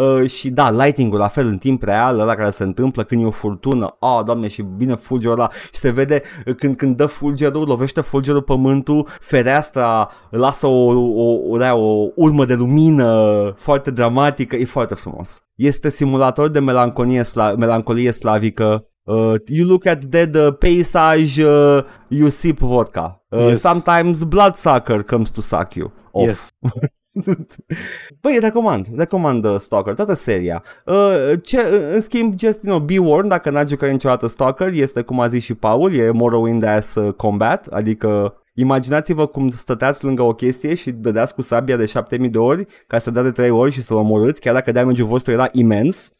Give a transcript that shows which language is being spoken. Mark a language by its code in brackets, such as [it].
[ro] Și da, lighting-ul la fel în timp real, ăla care se întâmplă când e o furtună. Oh, doamne, și bine fulgerul ăla. Și se vede când dă fulgerul, lovește fulgerul pământul, fereastra lasă o urmă de lumină foarte dramatică. E foarte frumos. Este simulator de melancolie slavică. [en] You look at dead paisage, you sip vodka. Yes. Sometimes bloodsucker comes to suck you off. Yes. [ro] Păi, recomand Stalker, toată seria. În schimb, [en] just, you know, be warned, [ro] dacă n-ai jucat niciodată Stalker, este, cum a zis și Paul, e Morrowind-ass combat, adică imaginați-vă cum stăteați lângă o chestie și dădeați cu sabia de 7000 de ori ca să dea de 3 ori și să-l omorâți, chiar dacă damage-ul vostru era imens.